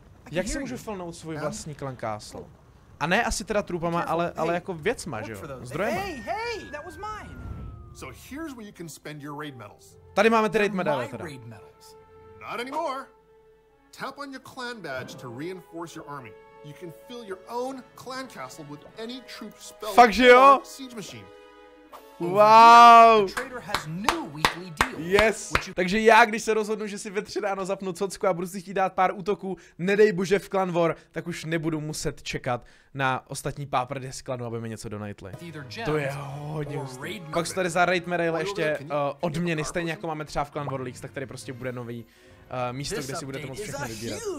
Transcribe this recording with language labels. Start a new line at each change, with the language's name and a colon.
Czech: Jak si můžu fillnout svůj vlastní clan castle? A ne asi teda troupama, ale jako věcma, že jo? Zdrojema.
English: Hey, that was mine. So here's where you can spend your raid medals.
Czech: Tady máme ty raid medaile teda.
English: Not anymore. Tap on your clan badge to reinforce your army. You can fill your own clan castle with any troop spell. Fuck you. Siege machine. Wow. Trader has new weekly deal. Yes.
Czech: Takže já, když se rozhodnu, že si ve 3 ráno zapnu cocku a budu si chtít dát pár útoků, nedej bože v Clan War, tak už nebudu muset čekat na ostatní páprdy z klanu, aby mi něco donatli. To je hodně hustý. Pak jsou tady za raid medaile ještě odměny, stejně jako máme třeba v Clan War Leagues, tak tady prostě bude nový místo, kde si budete moct všechno vybírat.